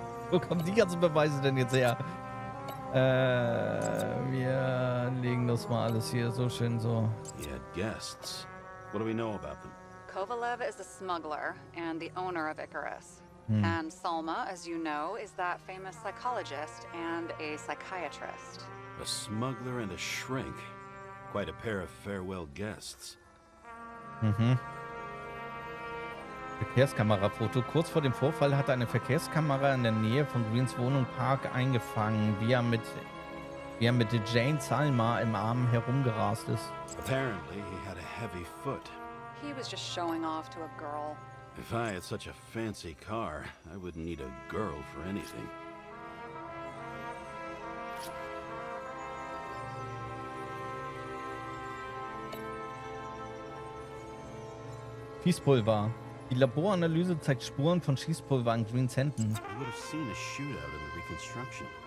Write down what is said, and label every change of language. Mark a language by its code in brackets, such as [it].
[de] Wo kommen die ganzen Beweise denn jetzt her? Wir legen das mal alles hier so schön so. [en] He had guests. What do we know about them? Kovalev is a smuggler and the owner of Icarus. And Salma, as you know, is that famous psychologist and a psychiatrist. A smuggler and a shrink. Quite a pair of farewell guests. [de] Mhm. Verkehrskamerafoto. Kurz vor dem Vorfall hat eine Verkehrskamera in der Nähe von Greens Wohnung Park eingefangen, wie er mit Jane Salma im Arm herumgerast ist. [en] Apparently he had a heavy foot. He was just showing off to a girl. If I had such a fancy car, I wouldn't need a girl for anything. [de] Schießpulver. Die Laboranalyse zeigt Spuren von Schießpulver an Greens Händen. [en] I would have seen a shootout in the reconstruction.